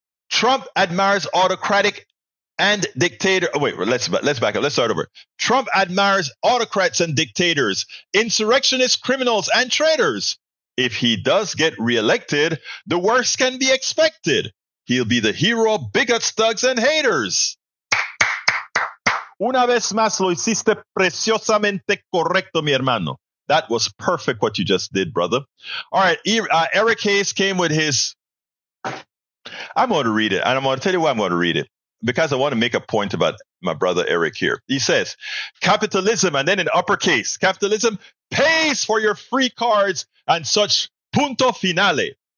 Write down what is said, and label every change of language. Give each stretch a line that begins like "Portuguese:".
English: Trump admires autocratic and dictator. Oh, wait, let's back up. Let's start over. Trump admires autocrats and dictators, insurrectionists, criminals, and traitors. If he does get reelected, the worst can be expected. He'll be the hero of bigots, thugs, and haters.
Spanish: Una vez más, lo hiciste preciosamente correcto, mi hermano.
English: That was perfect what you just did, brother. All right, Eric Hayes came with his... I'm going to read it, and I'm going to tell you why I'm going to read it, because I want to make a point about my brother Eric here. He says, capitalism, and then in uppercase, capitalism pays for your free cards and such,
Spanish: punto finale.